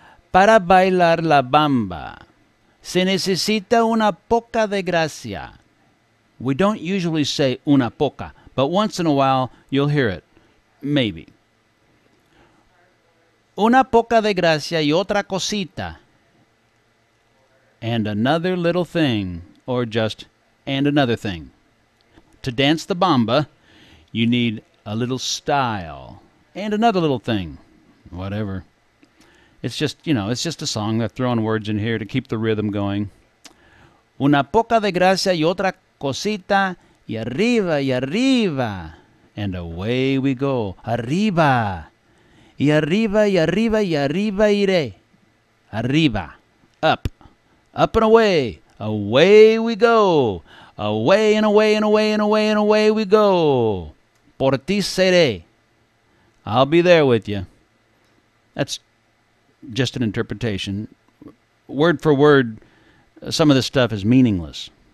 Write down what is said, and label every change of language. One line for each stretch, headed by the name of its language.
Spanish: Para bailar la bamba, se necesita una poca de gracia.
English: We don't usually say
Spanish: una poca,
English: but once in a while you'll hear it. Maybe.
Spanish: Una poca de gracia y otra cosita.
English: And another little thing, or just, and another thing. To dance the bamba, you need a little style, And another little thing. Whatever. It's just, you know, it's just a song. They're throwing words in here to keep the rhythm going.
Spanish: Una poca de gracia y otra cosita. Y arriba,
English: and away we go.
Spanish: Arriba, y arriba, y arriba, y arriba iré.
English: Arriba, up, up and away, away we go. Away and away and away and away and away we go.
Spanish: Por ti seré.
English: I'll be there with you. That's just an interpretation. Word for word, some of this stuff is meaningless.